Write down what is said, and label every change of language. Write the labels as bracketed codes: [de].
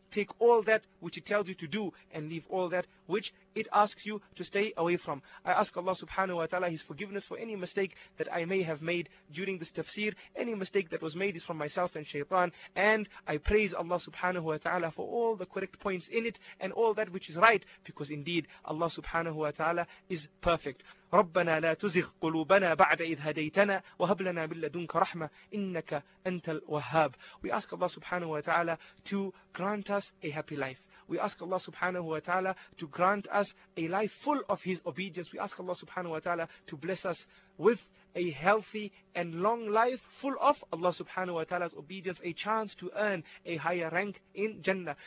[en] Take all that which it tells you to do and leave all that which it asks you to stay away from. I ask Allah subhanahu wa ta'ala his forgiveness for any mistake that I may have made during this tafsir. Any mistake that was made is from myself and shaitan. And I praise Allah subhanahu wa ta'ala for all the correct points in it and all that which is right, because indeed [ar] الله سبحانه وتعالى [en] is perfect. [ar] ربنا لا تزغ قلوبنا بعد إذ هديتنا وهب لنا من لدنك رحمة إنك أنت الوهاب. [en] We ask Allah سبحانه وتعالى to grant us a happy life. We ask Allah subhanahu wa ta'ala to grant us a life full of His obedience. We ask Allah subhanahu wa ta'ala to bless us with a healthy and long life full of Allah subhanahu wa ta'ala's obedience, a chance to earn a higher rank in Jannah.